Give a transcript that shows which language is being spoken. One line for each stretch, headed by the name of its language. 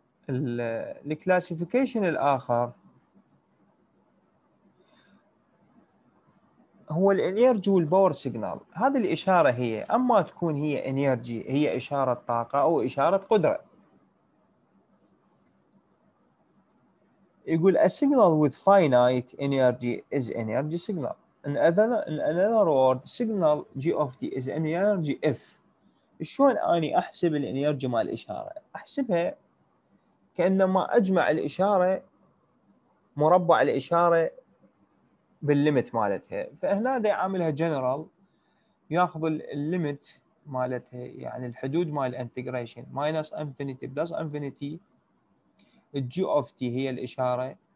Arabic: الكلاسيفيكيشن الآخر هو الانيرجي والباور سيجنال. هذه الإشارة هي أما تكون هي انيرجي، هي إشارة طاقة أو إشارة قدرة.
English: يقول a signal with finite energy is energy signal. In another word, signal g of t is energy if.
Arabic: شلون أني أحسب الانيرجي مع الإشارة؟ أحسبها كأنما أجمع الإشارة مربع الإشارة بالليمت مالتها. فهنا دا يعملها general، يأخذ الليمت مالتها يعني الحدود مال integration minus infinity plus infinity. الجي اوف تي هي الإشارة